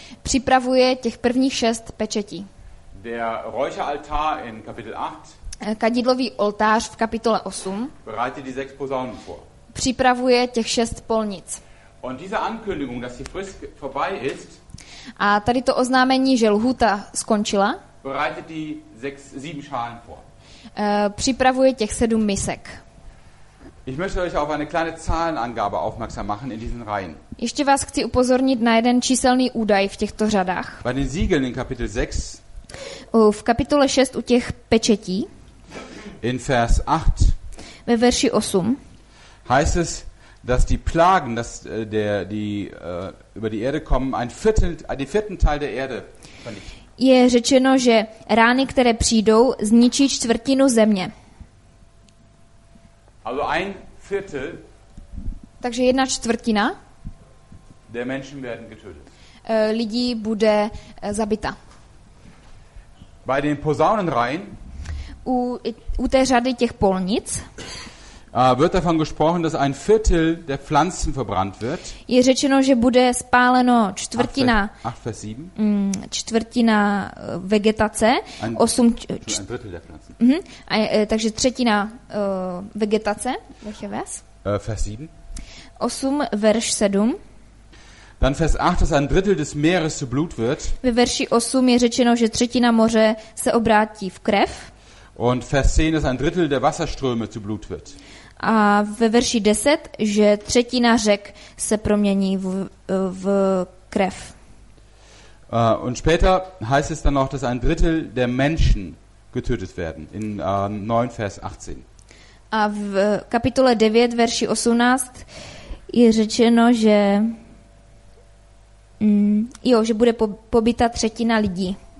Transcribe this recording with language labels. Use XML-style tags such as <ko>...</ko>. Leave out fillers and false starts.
<cs>Připravuje těch prvních 6 pečetí.</cs> <de>Der Räucheraltar in Kapitel 8.</de> <cs>Kadidlový oltář v kapitole 8.</cs> <de>Bereitet die 6 Posaunen vor.</de> <cs>Připravuje těch 6 polnic.</cs> <de>Und diese Ankündigung, dass die Frist vorbei ist,</de> <cs>a tady to oznámení, že lhůta skončila,</cs> <de>bereitet die 7 Schalen vor.</de> <cs>Připravuje těch 7 misek.</cs> <de>Ich möchte euch auf eine kleine Zahlenangabe aufmerksam machen in diesen Reihen.</de> <cs>Ještě vás chci upozornit na jeden číselný údaj v těchto řadách.</cs> <de>Bei den Siegeln in Kapitel 6.</de> <cs>V kapitole 6 u těch pečetí.</cs> <de>In Vers 8.</de> <cs>Ve verši 8.</cs> <de>Heißt es, dass die Plagen, dass der die über die Erde kommen, ein Viertel, den vierten Teil der Erde vernichten.</de> <cs>Je řečeno, že rány, které přijdou, zničí čtvrtinu země.</cs> <de>Also ein Viertel.</de> <cs>Takže jedna čtvrtina.</cs> <de>Der Menschen werden getötet.</de> <cs>Lidí bude zabita.</cs> <de>Bei den Posaunenreihen.</de> <cs>U té řady těch polnic.</cs> <de>Wird davon gesprochen, dass ein Viertel der Pflanzen verbrannt wird.</de> <cs>Je řečeno, že bude spáleno čtvrtina.</cs> <de>8 vers 7.</de> <cs>Čtvrtina vegetace.</cs> <de>Ein Drittel der Pflanzen.</de> <cs>Takže třetina vegetace.</cs> <de>Vers 7.</de> <cs>8 verš 7.</cs> <de>Dann vers 8, dass ein Drittel des Meeres zu Blut wird.</de> <cs>Ve verši 8 je řečeno, že třetina moře se obrátí v krev.</cs> <de>Und vers 10, dass ein Drittel der Wasserströme zu Blut wird.</de> <cs>A ve verši 10, že třetina řek se promění v krev.</cs> <de>Und später heißt es dann noch, dass ein Drittel der Menschen getötet werden in 9 vers 18.</de> <cs>A v kapitole 9 verši 18 je řečeno, že že bude pobita třetina lidí.</cs>